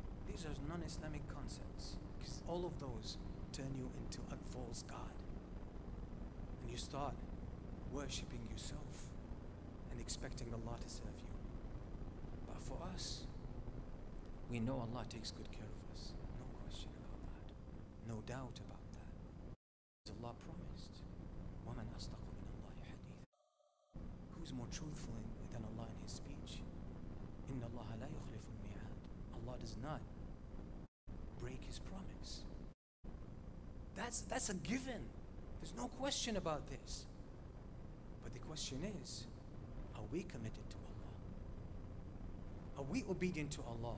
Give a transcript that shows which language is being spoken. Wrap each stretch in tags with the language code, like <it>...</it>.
<en>These are non-Islamic concepts. Because all of those turn you into a false god. And you start worshipping yourself and expecting Allah to serve you. But for us, we know Allah takes good care of us. No question about that. No doubt about that. As Allah promised,</en> <ar>وَمَنْ أَصْدَقُ مِنَ اللَّهِ حَدِيثًا.</ar> <en>Who's more truthful than Allah in His speech?</en> <ar>إِنَّ اللَّهَ لَا يُخْلِفُ الْمِيعَادِ.</ar> <en>Allah does not break His promise. That's a given. There's no question about this. But the question is, are we committed to Allah? Are we obedient to Allah?</en>